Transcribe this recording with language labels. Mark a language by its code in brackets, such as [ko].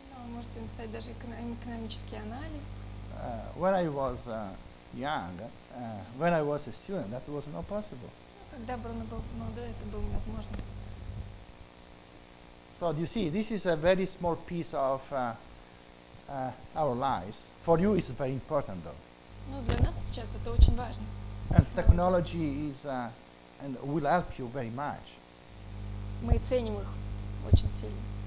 [ru] Можете написать даже экономический анализ. [en] When I was young, when I was a student, that was not possible. [ru] Когда Бруно был молодой, это было невозможно. [en] So you see, this is a very small piece of our lives. For you, it's very important, though. [ru] Ну, для нас сейчас это очень важно. [en] And technology is and will help you very much. [ru] Мы ценим их очень сильно.